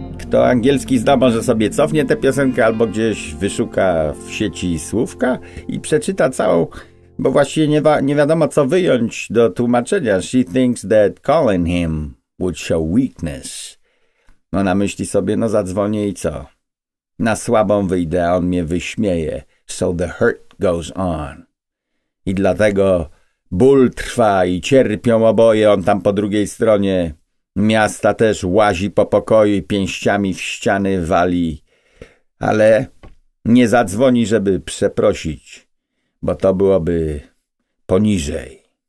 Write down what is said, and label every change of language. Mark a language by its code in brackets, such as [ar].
[pl] to angielski zna, może sobie cofnie tę piosenkę albo gdzieś wyszuka w sieci słówka i przeczyta całą, bo właściwie nie wiadomo co wyjąć do tłumaczenia. [en] She thinks that calling him would show weakness. [pl] Ona myśli sobie, no zadzwonię i co? Na słabą wyjdę, a on mnie wyśmieje. [en] So the hurt goes on. [pl] I dlatego ból trwa i cierpią oboje, on tam po drugiej stronie miasta też łazi po pokoju i pięściami w ściany wali, ale nie zadzwoni, żeby przeprosić, bo to byłoby poniżej.